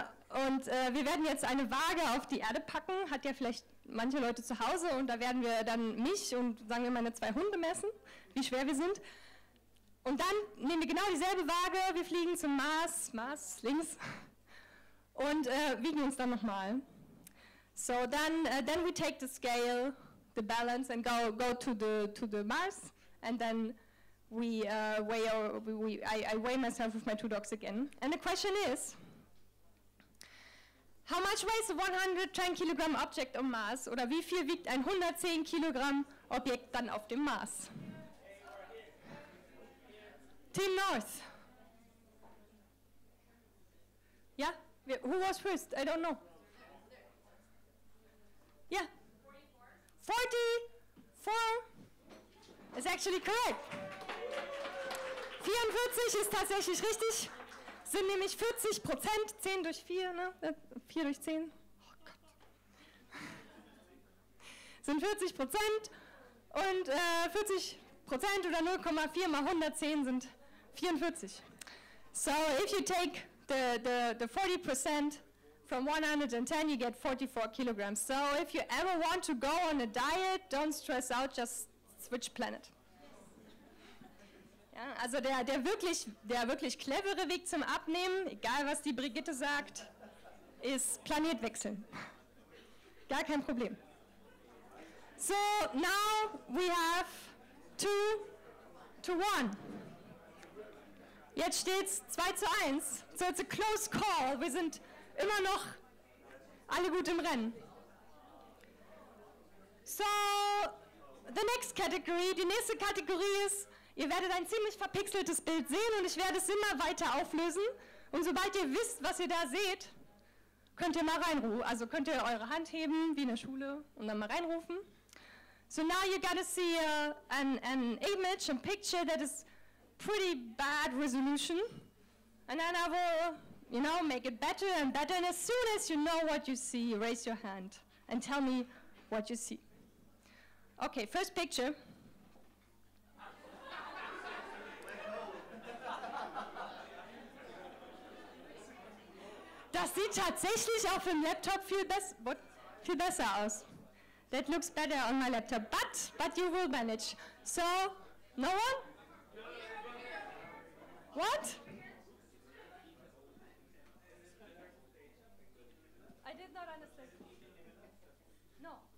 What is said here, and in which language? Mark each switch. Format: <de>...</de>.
<de>Und wir werden jetzt eine Waage auf die Erde packen, hat ja vielleicht manche Leute zu Hause, und da werden wir dann mich und, sagen wir, meine zwei Hunde messen, wie schwer wir sind. Und dann nehmen wir genau dieselbe Waage, wir fliegen zum Mars links, und wiegen uns dann nochmal.</de> <en>So then we take the scale, the balance, and go to the Mars, and then I weigh myself with my two dogs again. And the question is, how much weighs a 110 kilogram object on Mars?</en> <de>Oder wie viel wiegt ein 110 kilogramm Objekt dann auf dem Mars?</de> <en>Team North. Yeah? Who was first? I don't know. Yeah? 44. Is actually correct.</en> <de>44 ist tatsächlich richtig. Sind nämlich 40%, 10 durch 4, ne? 4 durch 10. Oh Gott. Sind 40% und 40% oder 0,4 mal 110 sind 44.</de> <en>So if you take the 40% from 110, you get 44 kilograms. So if you ever want to go on a diet, don't stress out, just switch planet.</en> <de>Ja, also der wirklich clevere Weg zum Abnehmen, egal was die Brigitte sagt, ist Planet wechseln. Gar kein Problem.</de> <en>So now we have 2-1.</en> <de>Jetzt steht's 2-1.</de> <en>So it's a close call.</en> <de>Wir sind immer noch alle gut im Rennen.</de> <en>So the next category,</en> <de>die nächste Kategorie ist, ihr werdet ein ziemlich verpixeltes Bild sehen und ich werde es immer weiter auflösen. Und sobald ihr wisst, was ihr da seht, könnt ihr mal reinrufen. Also könnt ihr eure Hand heben, wie in der Schule, und dann mal reinrufen.</de> <en>So now you gotta see an image, a picture that is pretty bad resolution. And then I will, you know, make it better and better. And as soon as you know what you see, raise your hand and tell me what you see. Okay, first picture.</en> <de>Das sieht tatsächlich auf dem Laptop viel besser aus.</de> <en>That looks better on my laptop, but you will manage. So, no one? What? I did not understand. No.</en>